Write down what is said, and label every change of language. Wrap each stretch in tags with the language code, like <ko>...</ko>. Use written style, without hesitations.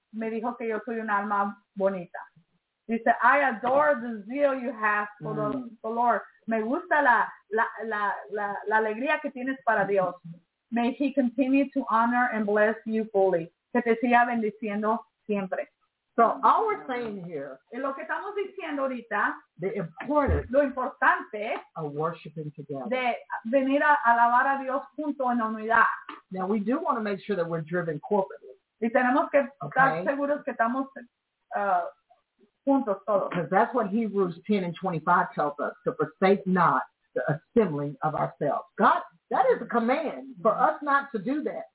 <es>Me dijo que yo soy una alma bonita.</es> <en>He said, "I adore the zeal you have for the Lord.</en> <es>Me gusta la alegría que tienes para Dios.</es> <en>May He continue to honor and bless you fully.</en> <es>Que te siga bendiciendo siempre."</es> <en>So all we're saying here,</en> <es>y lo que estamos diciendo ahorita,</es> <en>the important,</en> <es>lo importante,</es> <en>of worshiping together,</en> <es>de venir a alabar a Dios junto en unidad.</es> <en>Now we do want to make sure that we're driven corporately.</en> <es>Y tenemos que</es> <en>okay.</en> <es>estar seguros que estamos</es> <en>because that's what Hebrews 10 and 25 tells us, to forsake not the assembling of ourselves. God, that is a command for us not to do that.</en>